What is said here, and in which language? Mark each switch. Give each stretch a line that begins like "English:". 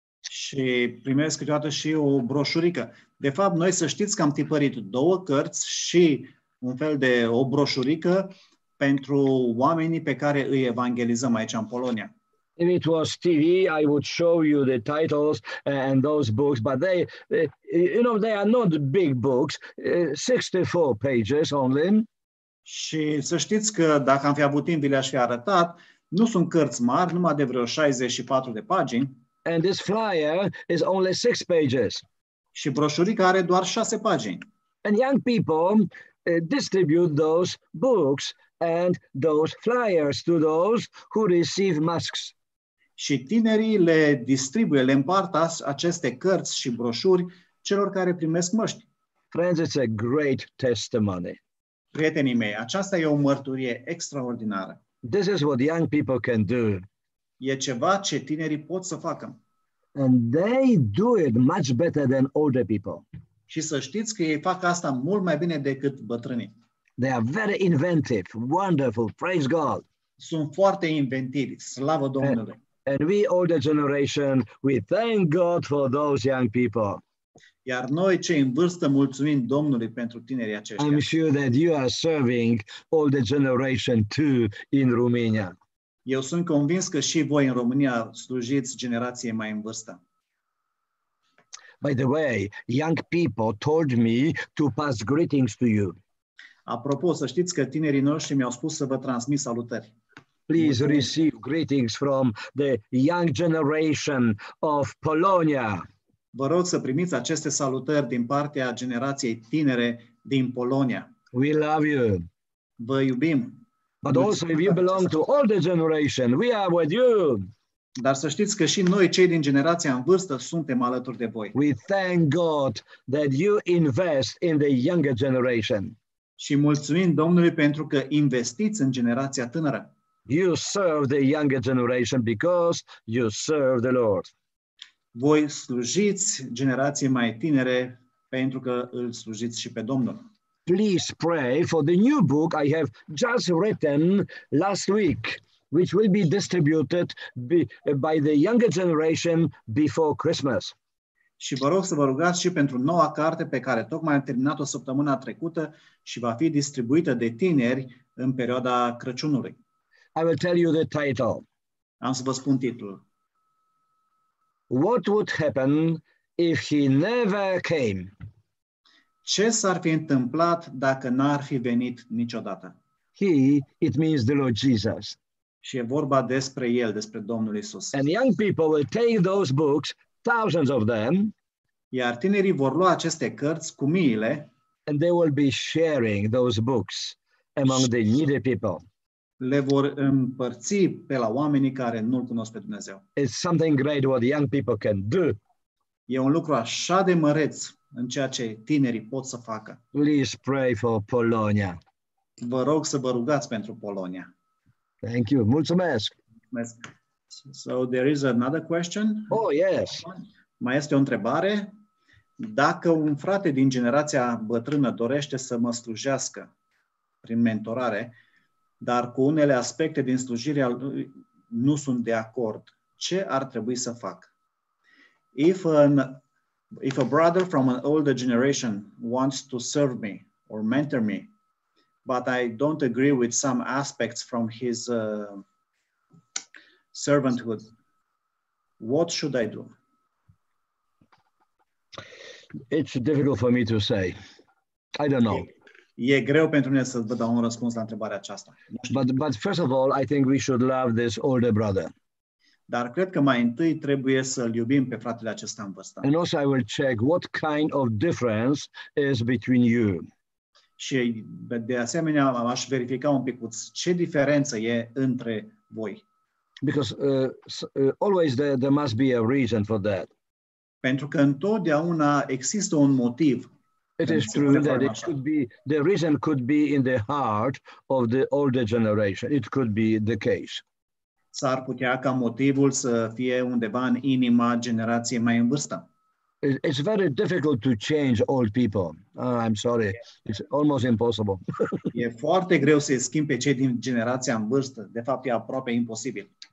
Romanian: Și primesc câteodată și o broșurică. De fapt, noi să știți că am tipărit 2 cărți și un fel de o broșurică pentru oamenii pe care îi evangelizăm aici în Polonia.
English: If it was TV, I would show you the titles and those books, but they, you know, they are not big books, 64 pages only.
Romanian: Și să știți că dacă am fi avut timp, le-aș fi arătat, nu sunt cărți mari, numai de vreo 64 de pagini.
English: And this flyer is only 6 pages.
Romanian: Și broșurica are doar 6 pagini.
English: And young people distribute those books and those flyers to those who receive masks.
Romanian: Și tinerii le distribuie, le împart aceste cărți și broșuri celor care primesc măști.
English: Friends, it's a great testimony.
Romanian: Prietenii mei, aceasta e o mărturie extraordinară.
English: This is what young people can do.
Romanian: E ceva ce tinerii pot să facă.
English: And they do it much better than older people.
Romanian: Și să știți că ei fac asta mult mai bine decât bătrânii.
English: They are very inventive, wonderful, praise God.
Romanian: Sunt foarte inventivi, slavă Domnului.
English: And we older generation, we thank God for those young people.
Romanian: Iar noi cei în vârstă mulțumim Domnului pentru tinerii aceștia.
English: I'm sure that you are serving older generation too in Romania.
Romanian: Eu sunt convins că și voi în România slujiți generație mai în vârstă.
English: By the way, young people told me to pass greetings to you.
Romanian: Apropo, să știți că tinerii noștri mi-au spus să vă transmit salutări.
English: Please receive greetings from the young generation of Polonia.
Romanian: Vă rog să primiți aceste salutări din partea generației tinere din Polonia.
English: We love you.
Romanian: Vă iubim.
English: But also if you belong to older generation, we are with you.
Romanian: Dar să știți că și noi, cei din generația în vârstă, suntem alături de voi.
English: We thank God that you invest in the younger generation.
Romanian: Și mulțumim Domnului pentru că investiți în generația tânără.
English: You serve the younger generation because you serve the Lord.
Romanian: Voi slujiți generației mai tinere pentru că îl slujiți și pe Domnul.
English: Please pray for the new book I have just written last week, which will be distributed by the younger generation before Christmas.
Romanian: Și vă rog să vă rugați și pentru noua carte pe care tocmai am terminat-o săptămâna trecută și va fi distribuită de tineri în perioada Crăciunului.
English: I will tell you the title.
Romanian: Am să vă spun titlul.
English: What would happen if he never came?
Romanian: Ce s-ar fi întâmplat dacă n-ar fi venit niciodată?
English: He, it means the Lord Jesus.
Romanian: Și e vorba despre El, despre Domnul Iisus.
English: And young people will take those books, thousands of them.
Romanian: Iar tinerii vor lua aceste cărți cu miile.
English: And they will be sharing those books among the needy people.
Romanian: Le vor împărți pe la oamenii care nu-L cunosc pe Dumnezeu.
English: It's something great what young people can do.
Romanian: E un lucru așa de măreț în ceea ce tinerii pot să facă.
English: Please pray for Polonia.
Romanian: Vă rog să vă rugați pentru Polonia.
English: Thank you.
Romanian: Mulțumesc. Mulțumesc.
English: So there is another question. Oh, yes.
Romanian: Mai este o întrebare. Dacă un frate din generația bătrână dorește să mă slujească prin mentorare, dar cu unele aspecte din slujirea lui nu sunt de acord, ce ar trebui să fac?
English: If a brother from an older generation wants to serve me or mentor me, but I don't agree with some aspects from his servanthood, what should I do? It's difficult for me to say. I don't know.
Romanian: E greu pentru mine să vă dau un răspuns la întrebarea aceasta.
English: But first of all, I think we should love this older brother.
Romanian: Dar cred că mai întâi trebuie să-l iubim pe fratele acesta în vârstă.
English: And also I will check what kind of difference is between you.
Romanian: Și de asemenea aș verifica un picuț ce diferență e între voi.
English: Because always there must be a reason for that.
Romanian: Pentru că întotdeauna există un motiv.
English: It is true that it could be, the reason could be in the heart of the older generation. It could be the case.
Romanian: s-ar putea ca motivul să fie undeva în inima generației mai în vârstă.
English: It's very difficult to change old people. Oh, I'm sorry. It's almost impossible.
Romanian: E foarte greu să-i schimbi pe cei din generația în vârstă. De fapt, e aproape imposibil.